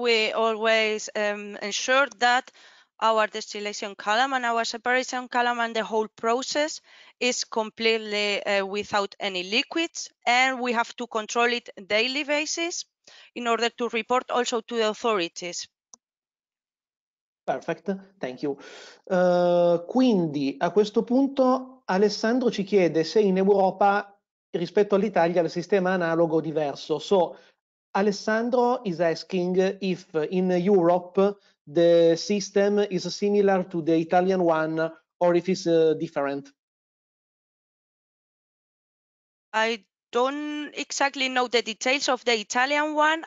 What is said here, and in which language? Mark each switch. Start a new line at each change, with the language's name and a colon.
English: We always ensure that our distillation column and our separation column and the whole process is completely without any liquids, and we have to control it daily basis in order to report also to the authorities. Perfect, thank you.
Italian: Quindi a questo punto Alessandro ci chiede se in Europa rispetto all'Italia il sistema analogo diverso.
English: So Alessandro is asking if in Europe the system is similar to the Italian one or if it's different. I don't exactly know the details of the Italian one.